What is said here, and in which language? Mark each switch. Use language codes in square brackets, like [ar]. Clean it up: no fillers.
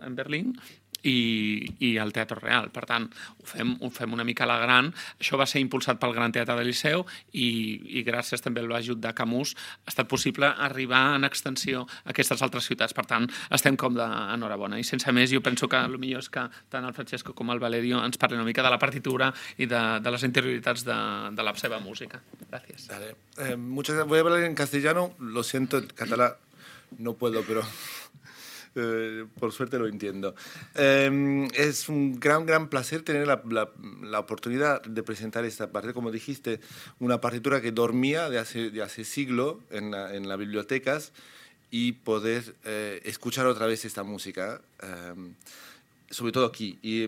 [ca] En Berlín, i el Teatre Real. Per tant, ho fem una mica a la gran. Això va ser impulsat pel Gran Teatre del Liceu i gràcies també a l'ajut de Camus ha estat possible arribar en extensió a aquestes altres ciutats. Per tant, estem com d'enhorabona. I sense més, jo penso que el millor és que tant el Francesco com el Valerio ens parlin una mica de la partitura i de les interioritats de la seva música. Gràcies. [es] Dale. Muchas gracias. Voy a hablar en castellano. Lo siento, en català no puedo, pero... por suerte lo entiendo. Es un gran placer tener la oportunidad de presentar esta parte, como dijiste, una partitura que dormía de hace siglo en las bibliotecas y poder escuchar otra vez esta música, sobre todo aquí.